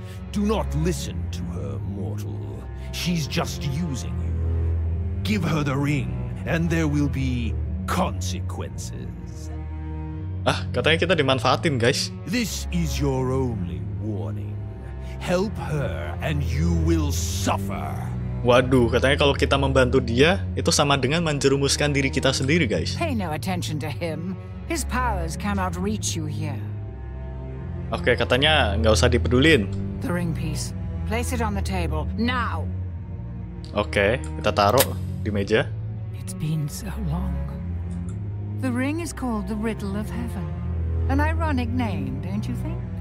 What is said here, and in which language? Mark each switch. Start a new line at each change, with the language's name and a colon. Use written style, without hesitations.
English: Do not listen to her, mortal. She's just using you. Give her the ring, and there will be consequences.
Indonesian: Ah, katanya kita dimanfaatin guys.
English: This is your only warning. Help her and you will suffer.
Indonesian: Waduh, katanya kalau kita membantu dia, itu sama dengan menjerumuskan diri kita sendiri, guys.
English: Pay no attention to him. His powers cannot reach you here.
Indonesian: Oke, katanya nggak usah dipedulin.
English: The ring piece. Place it on the table now.
Indonesian: Oke, kita taruh di meja.
English: It's been so long. The ring is called the Riddle of Heaven. An ironic name, don't you think?